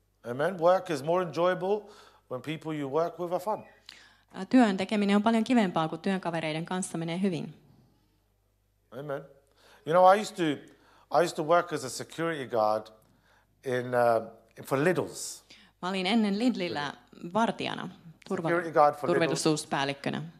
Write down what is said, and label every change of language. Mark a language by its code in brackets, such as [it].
[en] Amen. Work is more enjoyable when people you work with are fun. [fi] Työn tekeminen on paljon kivempaa, kun työkavereiden kanssa menee hyvin. [en] Amen. You know, I used to work as a security guard in for Lidl's. [fi] Mä olin ennen Lidlillä vartijana, turvallisuuspäällikkönä.